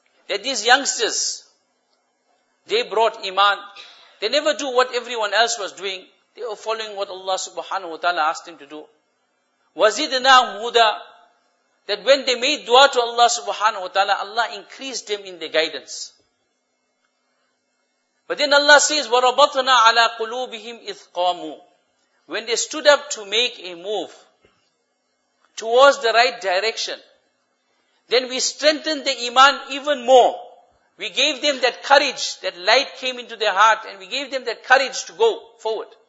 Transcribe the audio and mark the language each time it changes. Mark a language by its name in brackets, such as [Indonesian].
[English] that these youngsters, they brought iman. They never do what everyone else was doing. They were following what Allah subhanahu wa ta'ala asked them to do. [Arabic] Wazidnahum huda. [English] That when they made dua to Allah subhanahu wa ta'ala, Allah increased them in their guidance. But then Allah says, [Arabic] وَرَبَطْنَا عَلَىٰ قُلُوبِهِمْ إِذْ قَامُوا. [English] When they stood up to make a move towards the right direction, then we strengthened the iman even more. We gave them that courage, that light came into their heart, and we gave them that courage to go forward.